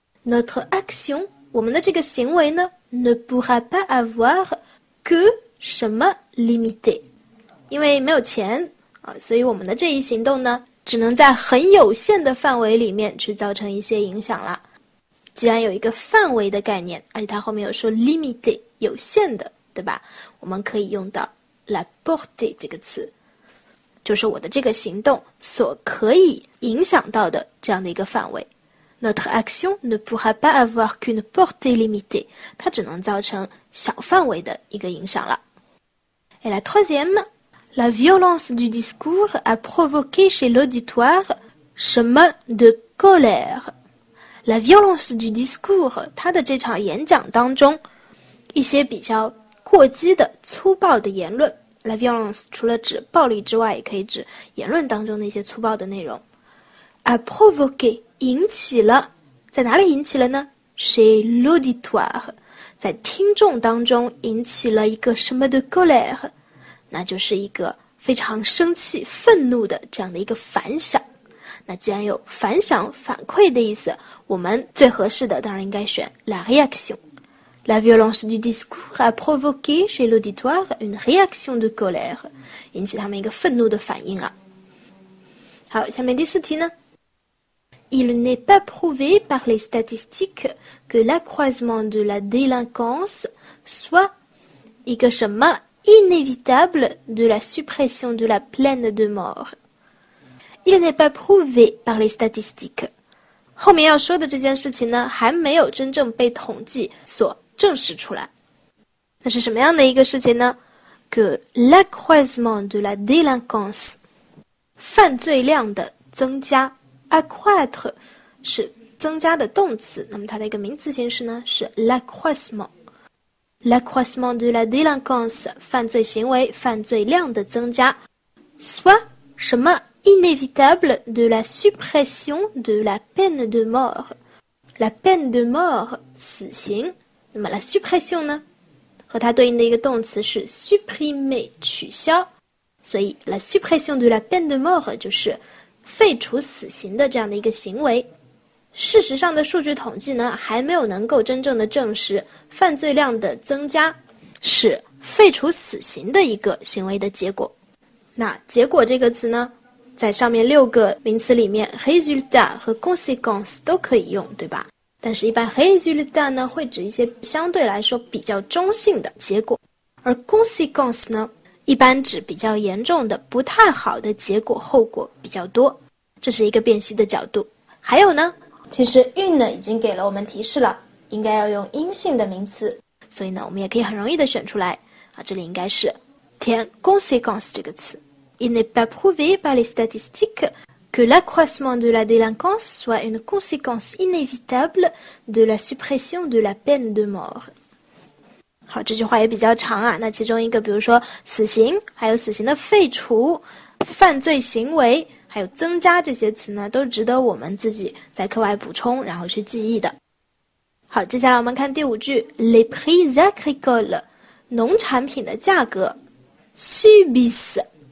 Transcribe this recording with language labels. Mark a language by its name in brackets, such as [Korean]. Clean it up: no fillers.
[French] Notre action, [Chinese] 我们的这个行为呢 [French] ne pourra pas avoir que [Chinese] 什么 limité, 因为没有钱啊，所以我们的这一行动呢只能在很有限的范围里面去造成一些影响了。既然有一个范围的概念，而且它后面有说 limité, 有限的，对吧，我们可以用到 la portée 这个词，就是我的这个行动所可以影响到的这样的一个范围。 [French] Notre action ne pourra pas avoir qu'une portée limitée, [Chinese] 它只能造成小范围的一个影响了。 [French] Et la troisième, la violence du discours a provoqué chez l'auditoire [Chinese] 什么 [French] de colère. La violence du discours, [Chinese] 它的这场演讲当中一些比较过激的粗暴的言论， la violence 除了指暴力之外，也可以指言论当中那些粗暴的内容。 [French] A provoqué [Chinese] 引起了，在哪里引起了呢？ [French] Chez l'auditoire [Chinese] 在听众当中引起了一个什么的 colère, 那就是一个非常生气愤怒的这样的一个反响。那既然有反响反馈的意思，我们最合适的当然应该选 la réaction。 [French] La violence du discours a provoqué chez l'auditoire une réaction de colère, [Chinese] 引起他们一个愤怒的反应啊。好，下面第四题呢？ [French] Il n'est pas prouvé par les statistiques que l'accroissement de la délinquance soit [Chinese] 一个什么 [French] inévitable de la suppression de la peine de mort. Il n'est pas prouvé par les statistiques. [Chinese] 后面要说的这件事情呢，还没有真正被统计所证实出来。那是什么样的一个事情呢？ [French] que l'accroissement de la délinquance, [Chinese] 犯罪量的增加， [French] accroître 是增加的动词，那么它的一个名词形式呢是 l'accroissement, l'accroissement de la délinquance, [Chinese] 犯罪行为犯罪量的增加， [French] soit 什么 inévitable de la suppression de la peine de mort, la peine de mort, [Chinese] 死刑。那么 la suppression 呢，和它对应的一个动词是 supprimer, 取消，所以 [French] la suppression de la peine de mort [Chinese] 就是废除死刑的这样的一个行为。事实上的数据统计呢，还没有能够真正的证实犯罪量的增加是废除死刑的一个行为的结果。那结果这个词呢，在上面六个名词里面 résultat 和 conséquence 都可以用，对吧？但是一般 résultat 呢会指一些相对来说比较中性的结果，而 conséquence 呢一般指比较严重的不太好的结果后果比较多，这是一个辨析的角度。还有呢，其实 une 已经给了我们提示了，应该要用阴性的名词，所以呢我们也可以很容易的选出来啊，这里应该是填 conséquence 这个词。 [French] Il n'est pas prouvé par les statistiques que l'accroissement de la délinquance soit une conséquence inévitable de la suppression de la peine de mort. [Chinese] 好，这句话也比较长啊。那其中一个，比如说死刑，还有死刑的废除，犯罪行为，还有增加这些词呢，都值得我们自己在课外补充，然后去记忆的。好，接下来我们看第五句 ， [French] les prix agricoles, [Chinese] 农产品的价格 subissent,